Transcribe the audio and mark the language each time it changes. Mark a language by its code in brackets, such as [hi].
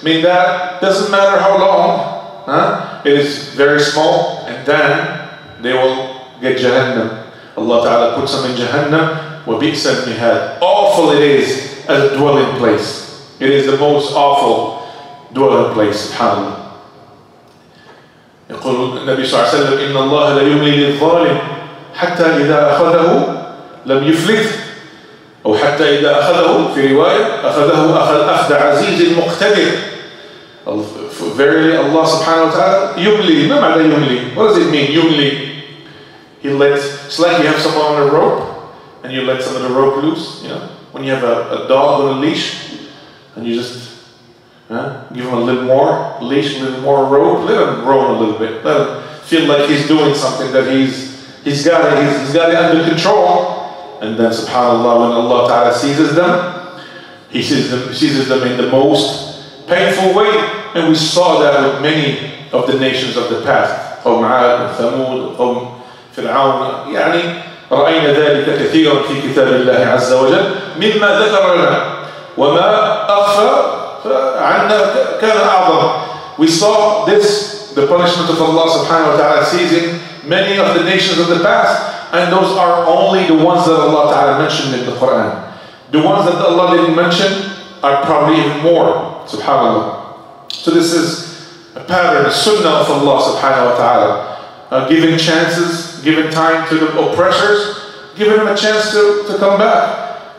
[en] I mean, that doesn't matter how long, it is very small, and then they will get Jahannam. Allah Ta'ala puts them in Jahannam. [ar] Wa bi'sa al-mihad. [en] Awful it is as a dwelling place. It is the most awful dwelling place, subhanAllah. [ar] يقول النبي صلى الله عليه وسلم إن الله لا يملي للظالم حتى إذا أخذه لم يفلت، أو حتى إذا أخذه في رواية أخذه أخذ عزيز مقتدر. [en] Verily Allah subhanahu wa ta'ala [ar] يملي. ما معنى يملي؟ [en] What does it mean يملي؟ He lets, it's like you have someone on a rope and you let some of the rope loose, you know, when you have a dog on a leash and you just give him a little more leash, a little more rope, let him roam a little bit, let him feel like he's doing something, that he's got it under control. And then subhanAllah, when Allah Ta'ala seizes them, he seizes them in the most painful way. And we saw that with many of the nations of the past, قوم عاد وثمود قوم فرعون. [ar] يعني رأينا ذلك كثيرا في كتاب الله عز وجل مما ذكرنا وما أخر فعنا كان أعظم. [en] We saw this, the punishment of Allah subhanahu wa ta'ala seizing many of the nations of the past, and those are only the ones that Allah Ta'ala mentioned in the Quran. The ones that Allah didn't mention are probably even more, subhanAllah. So this is a pattern, a sunnah of Allah subhanahu wa ta'ala, giving chances, giving time to the oppressors, giving them a chance to come back.